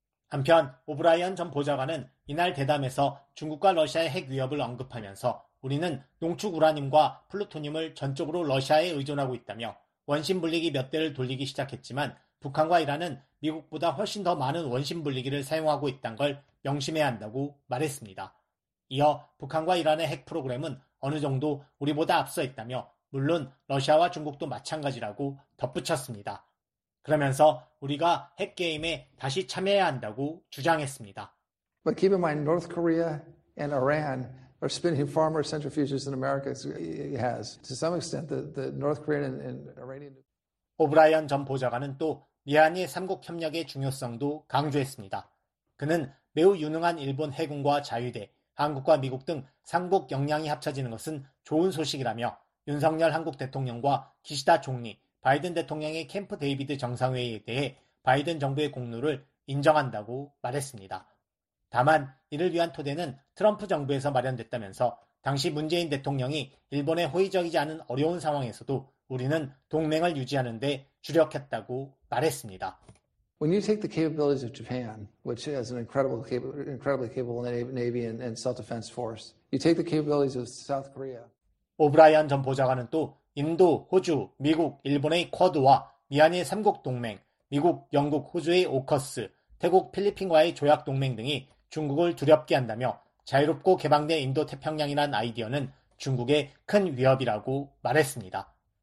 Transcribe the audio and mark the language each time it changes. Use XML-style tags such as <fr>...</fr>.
<ko>한편 오브라이언 전 보좌관은 이날 대담에서 중국과 러시아의 핵 위협을 언급하면서 우리는 농축 우라늄과 플루토늄을 전적으로 러시아에 의존하고 있다며 원심불리기 몇 대를 돌리기 시작했지만 북한과 이란은 미국보다 훨씬 더 많은 원심불리기를 사용하고 있다는 걸 명심해야 한다고 말했습니다. 이어 북한과 이란의 핵 프로그램은 어느 정도 우리보다 앞서 있다며 물론 러시아와 중국도 마찬가지라고 덧붙였습니다. 그러면서 우리가 핵 게임에 다시 참여해야 한다고 주장했습니다.</ko> <en>But keep in mind, North Korea and Iran are spinning far more centrifuges than America has. To some extent, the North Korean and Iranian.</en> <ko>오브라이언 전 보좌관은 또 미한일 3국 협력의 중요성도 강조했습니다. 그는 매우 유능한 일본 해군과 자위대, 한국과 미국 등 3국 역량이 합쳐지는 것은 좋은 소식이라며 윤석열 한국 대통령과 기시다 총리, 바이든 대통령의 캠프 데이비드 정상회의에 대해 바이든 정부의 공로를 인정한다고 말했습니다. 다만 이를 위한 토대는 트럼프 정부에서 마련됐다면서 당시 문재인 대통령이 일본에 호의적이지 않은 어려운 상황에서도 우리는 동맹을 유지하는 데 주력했다고 말했습니다.</ko> <en>When you take the capabilities of Japan, which has an incredibly capable Navy and self-defense force, you take the capabilities of South Korea.</en> <ko>오브라이언 전 보좌관은 또 인도, 호주, 미국, 일본의 쿼드와 미한일 3국 동맹, 미국, 영국, 호주의 오커스, 태국, 필리핀과의 조약 동맹 등이 중국을 두렵게 한다며 자유롭고 개방된 인도태평양이란 아이디어는 중국의 큰 위협이라고 말했습니다.</ko>